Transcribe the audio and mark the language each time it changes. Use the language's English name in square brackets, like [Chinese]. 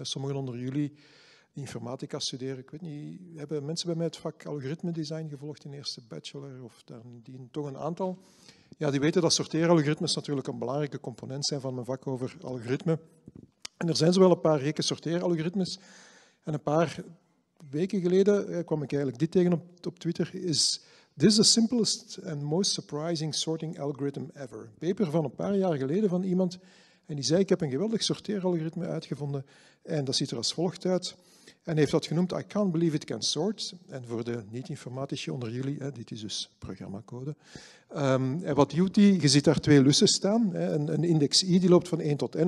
[Dutch] Sommigen onder jullie die informatica studeren, ik weet niet, hebben mensen bij mij het vak algoritme design gevolgd in eerste bachelor of daar, die, toch een aantal? Ja, die weten dat sorteeralgoritmes natuurlijk een belangrijke component zijn van mijn vak over algoritme. En er zijn zowel een paar gekke sorteeralgoritmes. En een paar weken geleden kwam ik eigenlijk dit tegen op Twitter, is... [English] This is the simplest and most surprising sorting algorithm ever. [Dutch] Een paper van een paar jaar geleden van iemand. En die zei, ik heb een geweldig sorteeralgoritme uitgevonden. En dat ziet er als volgt uit. En heeft dat genoemd, [English] I can't believe it can sort. [Dutch] En voor de niet-informatici onder jullie, hè, dit is dus programmacode. En wat doet die? Je ziet daar twee lussen staan. Hè, een index i die loopt van 1 tot n.